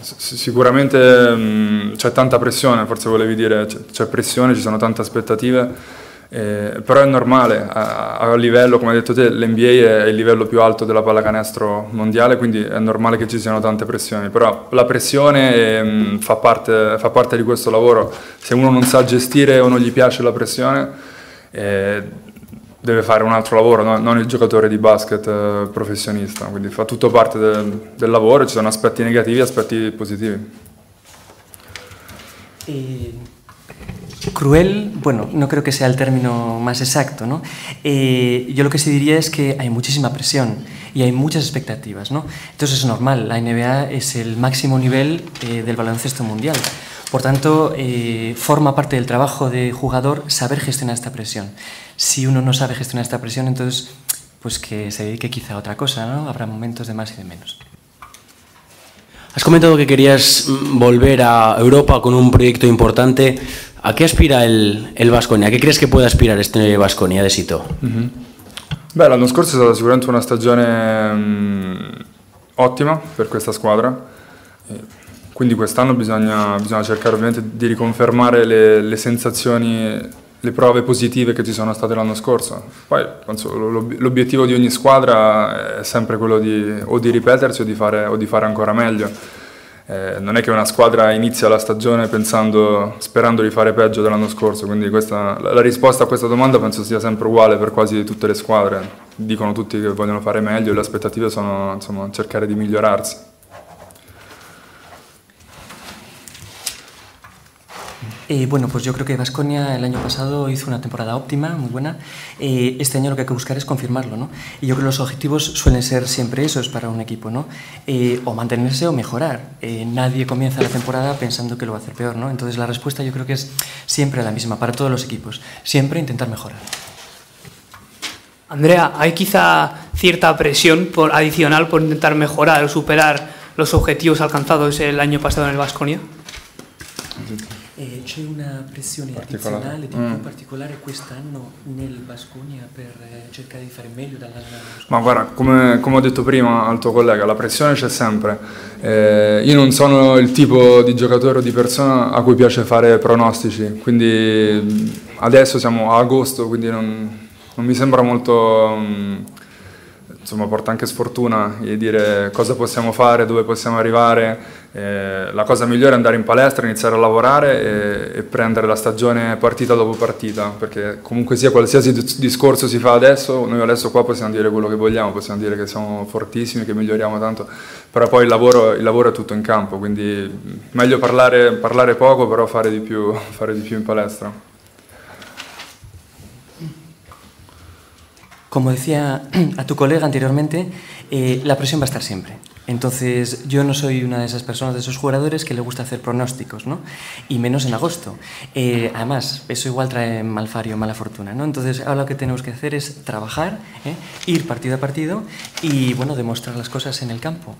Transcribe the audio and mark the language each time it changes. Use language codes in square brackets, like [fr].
[it] Sicuramente c'è tanta pressione, forse volevi dire, c'è pressione, ci sono tante aspettative, però è normale, a livello, come hai detto te, l'NBA è il livello più alto della pallacanestro mondiale, quindi è normale che ci siano tante pressioni, però la pressione fa parte di questo lavoro. Se uno non sa gestire o non gli piace la pressione, deve fare un altro lavoro, no? Non il giocatore di basket professionista, quindi fa tutto parte del lavoro, ci sono aspetti negativi e aspetti positivi. E... [es] cruel, bueno, no creo que sea el término más exacto, ¿no? Yo lo que sí diría es que hay muchísima presión y hay muchas expectativas, ¿no? Entonces es normal, la NBA es el máximo nivel del baloncesto mundial. Por tanto, forma parte del trabajo de jugador saber gestionar esta presión. Si uno no sabe gestionar esta presión, entonces pues que se dedique quizá a otra cosa, ¿no? Habrá momentos de más y de menos. Has comentado que querías volver a Europa con un proyecto importante. ¿A qué aspira el Baskonia? ¿A qué crees que puede aspirar este Baskonia de Sito? [it] Beh, l'anno scorso è stata sicuramente una stagione ottima per questa squadra. Quindi quest'anno bisogna cercare ovviamente di riconfermare le sensazioni, le prove positive che ci sono state l'anno scorso. Poi penso, l'obiettivo di ogni squadra è sempre quello di o di ripetersi o di fare ancora meglio. Non è che una squadra inizia la stagione sperando di fare peggio dell'anno scorso, quindi la risposta a questa domanda penso sia sempre uguale per quasi tutte le squadre. Dicono tutti che vogliono fare meglio e le aspettative sono insomma, cercare di migliorarsi. [es] Bueno, pues yo creo que Baskonia el año pasado hizo una temporada óptima, muy buena. Este año lo que hay que buscar es confirmarlo, ¿no? Y yo creo que los objetivos suelen ser siempre esos para un equipo, ¿no? O mantenerse o mejorar. Nadie comienza la temporada pensando que lo va a hacer peor, ¿no? Entonces la respuesta yo creo que es siempre la misma para todos los equipos. Siempre intentar mejorar. Andrea, ¿hay quizá cierta presión adicional por intentar mejorar o superar los objetivos alcanzados el año pasado en el Baskonia? [it] C'è una pressione addizionale di più particolare quest'anno nel Baskonia per cercare di fare meglio dall'anno? Ma guarda, come ho detto prima al tuo collega, la pressione c'è sempre. Io non sono il tipo di giocatore o di persona a cui piace fare pronostici, quindi adesso siamo a agosto, quindi non mi sembra molto... insomma porta anche sfortuna e dire cosa possiamo fare, dove possiamo arrivare. La cosa migliore è andare in palestra, iniziare a lavorare e prendere la stagione partita dopo partita, perché comunque sia qualsiasi discorso si fa adesso, noi adesso qua possiamo dire quello che vogliamo, possiamo dire che siamo fortissimi, che miglioriamo tanto, però poi il lavoro è tutto in campo, quindi meglio parlare poco, però fare di più in palestra. [es] Como decía a tu colega anteriormente, la presión va a estar siempre. Entonces, yo no soy una de esas personas, de esos jugadores que le gusta hacer pronósticos, ¿no? Y menos en agosto. Además, eso igual trae malfario, mala fortuna, ¿no? Entonces, ahora lo que tenemos que hacer es trabajar, ir partido a partido y, bueno, demostrar las cosas en el campo.